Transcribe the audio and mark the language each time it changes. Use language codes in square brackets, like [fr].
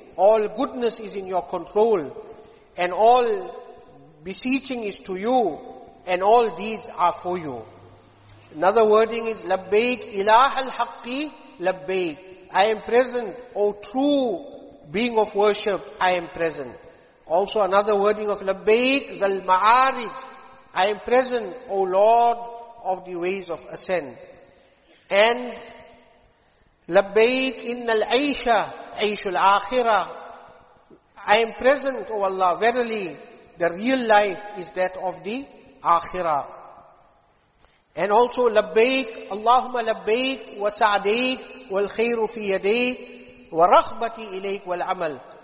[en] All goodness is in your control, and all beseeching is to you, and all deeds are for you. Another wording is [ar] لبيك إله الحق لبيك. [en] I am present, O true being of worship, I am present. Also another wording of [ar] لبيك ذل معارج. [en] I am present, O Lord of the ways of ascent. And [ar] لبيك إن العيش عيش الآخرة. [en] I am present, O Allah, verily the real life is that of the Akhirah. And also [ar] لبيك اللهم لبيك وسعديك والخير في يديك ورغبتي إليك والعمل.